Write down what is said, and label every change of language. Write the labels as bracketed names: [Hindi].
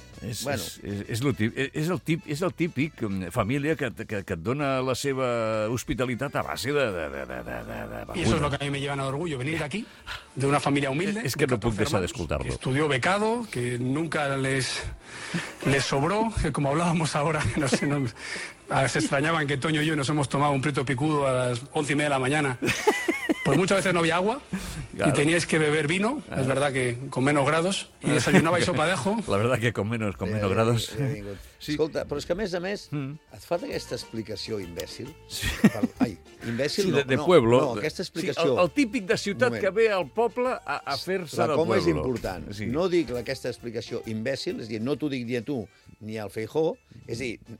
[Catalan] És el típic família que et dona la seva hospitalitat a base de [Spanish] I eso es lo que a mí me llevan a orgullo, venir [Catalan] d'aquí, [Spanish] de una família humilde. [Catalan] És que no puc deixar d'escoltar-lo. [Spanish] Estudió becado, que nunca les sobró, que como hablábamos ahora, no sé... No, se extrañaban que Toño y yo nos hemos tomado un prieto picudo a las 11:30 de la mañana. Pues muchas veces no había agua y teníais que beber vino, es verdad que con menos grados, y desayunabais sopa de ajo. La verdad que con menos grados. Sí. [Catalan] Escolta, però és que a més, et fa aquesta explicació imbècil? Sí. Imbècil? Sí, de no, [Spanish] pueblo. [Catalan] No, aquesta explicació... Sí, el típic de ciutat que ve al poble a fer-se [Spanish] del pueblo. [Catalan] La coma és important. Sí. No dic aquesta explicació imbècil, és a dir, no t'ho dic ni a tu ni al Feijó, és a dir,